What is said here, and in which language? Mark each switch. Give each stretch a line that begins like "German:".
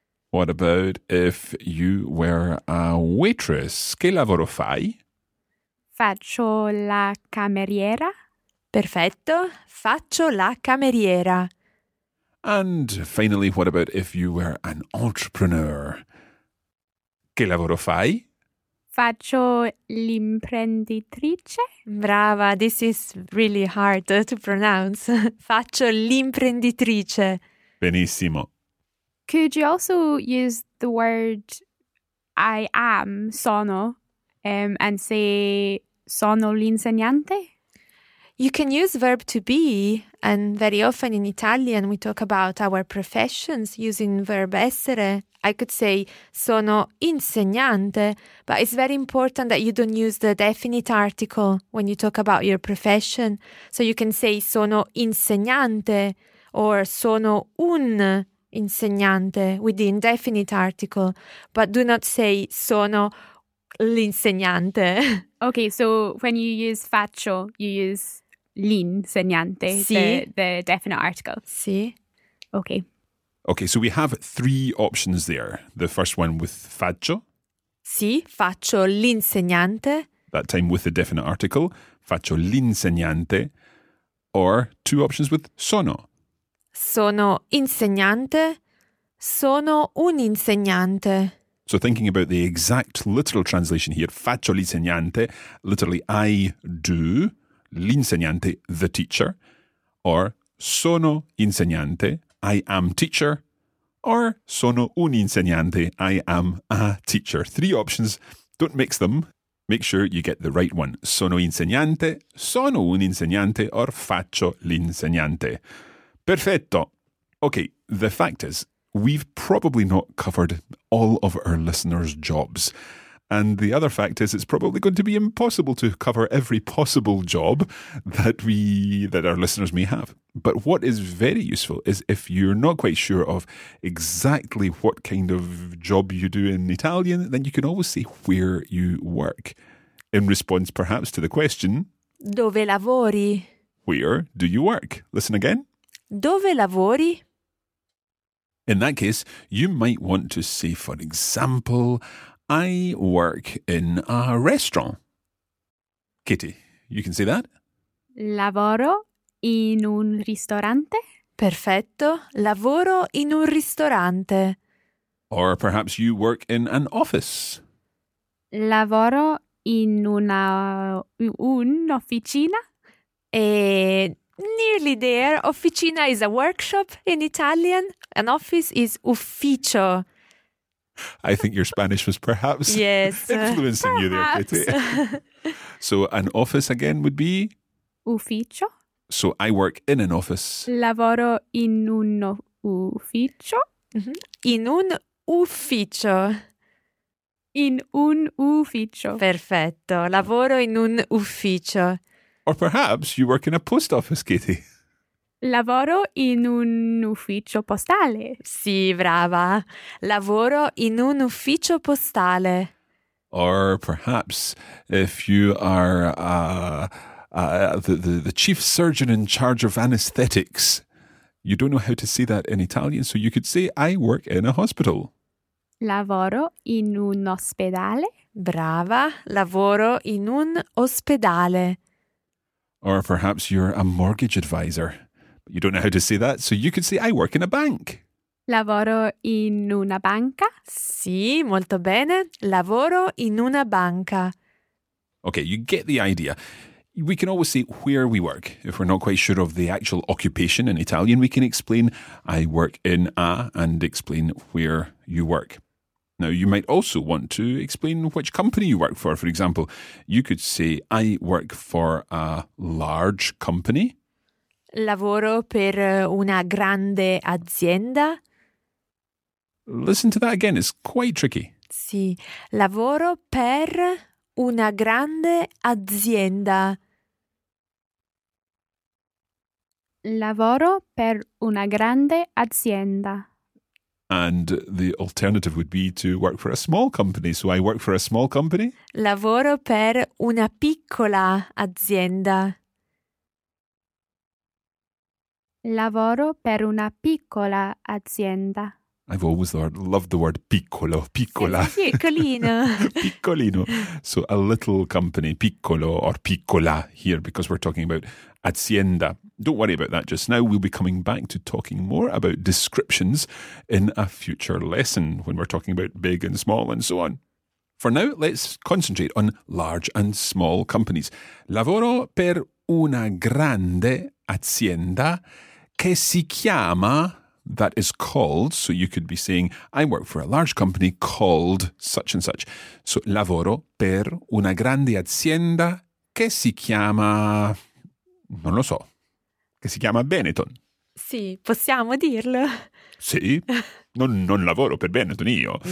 English: What about if you were a waitress?
Italian: Che lavoro fai? Faccio la cameriera. Perfetto. Faccio la cameriera.
English: And finally, what about if you were an entrepreneur?
Italian: Che lavoro fai? Faccio l'imprenditrice.
English: Brava, this is really hard to pronounce.
Italian: Faccio l'imprenditrice. Benissimo.
English: Could you also use the word I am, sono, and say
Italian: sono l'insegnante?
English: You can use verb to be, and very often in Italian we talk about our professions using verb essere. I could say
Italian: sono insegnante,
English: but it's very important that you don't use the definite article when you talk about your profession. So you can say
Italian: sono insegnante
English: or
Italian: sono un insegnante
English: with the indefinite article, but do not say
Italian: sono l'insegnante.
English: Okay, so when you use faccio, you use l'insegnante,
Italian: sì.
English: the definite article.
Italian: Sì.
English: Okay. Okay, so we have three options there. The first one with faccio.
Italian: Sì, faccio l'insegnante.
English: That time with the definite article,
Italian: faccio l'insegnante.
English: Or two options with sono.
Italian: Sono insegnante, sono un insegnante.
English: So thinking about the exact literal translation here,
Italian: faccio l'insegnante,
English: literally I do, l'insegnante, the teacher, or
Italian: sono insegnante,
English: I am teacher, or
Italian: sono un insegnante,
English: I am a teacher. Three options, don't mix them, make sure you get the right one.
Italian: Sono insegnante, sono un insegnante, or faccio l'insegnante. Perfetto.
English: Okay, the fact is, we've probably not covered all of our listeners' jobs. And the other fact is, it's probably going to be impossible to cover every possible job that our listeners may have. But what is very useful is if you're not quite sure of exactly what kind of job you do in Italian, then you can always say where you work. In response, perhaps, to the question,
Italian: dove lavori?
English: Where do you work? Listen again.
Italian: Dove lavori?
English: In that case, you might want to say, for example, I work in a restaurant. Katie, you can say that?
Italian: Lavoro in un ristorante. Perfetto. Lavoro in un ristorante.
English: Or perhaps you work in an office.
Italian: Lavoro in un'officina.
English: Nearly there. Officina is a workshop in Italian. An office is ufficio. I think your Spanish was perhaps yes. influencing perhaps. You there. So an office again would be?
Italian: Ufficio.
English: So I work in an office.
Italian: Lavoro in un ufficio. Mm-hmm. In un ufficio. in un ufficio. Perfetto. Lavoro in un ufficio.
English: Or perhaps you work in a post office, Katie.
Italian: Lavoro in un ufficio postale. Sì, brava. Lavoro in un ufficio postale.
English: Or perhaps if you are the chief surgeon in charge of anesthetics. You don't know how to say that in Italian, so you could say I work in a hospital.
Italian: Lavoro in un ospedale. Brava. Lavoro in un ospedale.
English: Or perhaps you're a mortgage advisor. You don't know how to say that, so you could say I work in a bank.
Italian: Lavoro in una banca. Sì, molto bene. Lavoro in una banca.
English: Okay, you get the idea. We can always say where we work. If we're not quite sure of the actual occupation in Italian, we can explain I work in a and explain where you work. Now, you might also want to explain which company you work for. For example, you could say I work for a large company.
Italian: Lavoro per una grande azienda.
English: Listen to that again. It's quite tricky.
Italian: Sì. Lavoro per una grande azienda. Lavoro per una grande azienda.
English: And the alternative would be to work for a small company. So I work for a small company.
Italian: Lavoro per una piccola azienda. Lavoro per una piccola azienda.
English: I've always loved the word piccolo, piccola.
Italian: Sì, piccolino.
English: Piccolino. So a little company, piccolo or piccola here, because we're talking about azienda. Don't worry about that just now. We'll be coming back to talking more about descriptions in a future lesson when we're talking about big and small and so on. For now, let's concentrate on large and small companies.
Italian: Lavoro per una grande azienda che si chiama,
English: that is called, so you could be saying, I work for a large company called such and such.
Italian: So, lavoro per una grande azienda che si chiama, non lo so, che si chiama Benetton. Sì, possiamo dirlo. Sì, non lavoro per Benetton io.